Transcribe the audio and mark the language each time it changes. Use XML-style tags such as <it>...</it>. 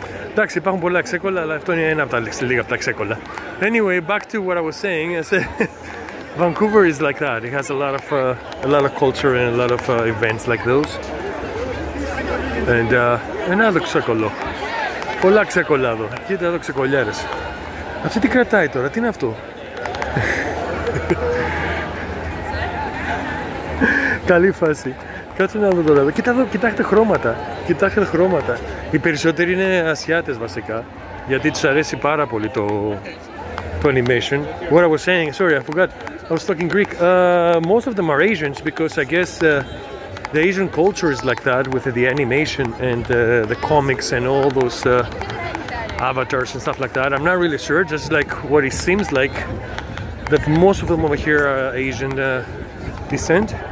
<el>Εντάξει, υπάρχουν πολλά ξεκόλλα, αλλά αυτό είναι ένα από τα λίγα από τα ξεκόλλα.</el> <en>Anyway, back to what I was saying. I said, Vancouver is like that. It has a lot of culture and a lot of events like those.</en> <el>And ένα άλλο ξεκόλλο. Πολλά ξεκόλλα εδώ. Κοίτα εδώ ξεκολλιάρες. Αυτή τι κρατάει τώρα, τι είναι αυτό? Καλή φάση. Κάτσε να δω τώρα. Κοίτα εδώ, κοιτάξτε χρώματα. Κοιτάξτε χρώματα. Οι περισσότεροι είναι Ασιάτες βασικά. Γιατί τους αρέσει πάρα πολύ το animation.</el> <en>What I was saying, sorry, I forgot. I was talking Greek. Most of them are Asians because I guess the Asian culture is like that with the animation and the comics and all those avatars and stuff like that. I'm not really sure, just like what it seems like that most of them over here are Asian descent.</en>